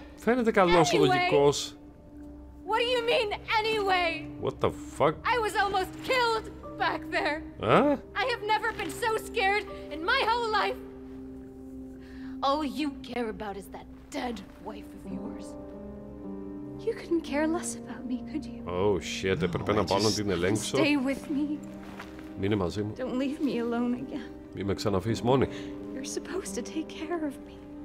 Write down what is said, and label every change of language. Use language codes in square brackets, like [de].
[el] Φαίνεται καλός λογικός. [en] What do you mean, anyway? What the fuck? I was almost killed back there. I have never been so scared in my whole life. All you care about is that dead wife of yours. You couldn't care less about me, could you? Oh shit, [el] έπρεπε να πάω να την ελέγξω. [en] Stay with me. [el] Μείνε μαζί μου. [en] Don't leave me alone again. [el] Μη με ξαναφύγεις μόνη. [en] You're supposed to take care of me.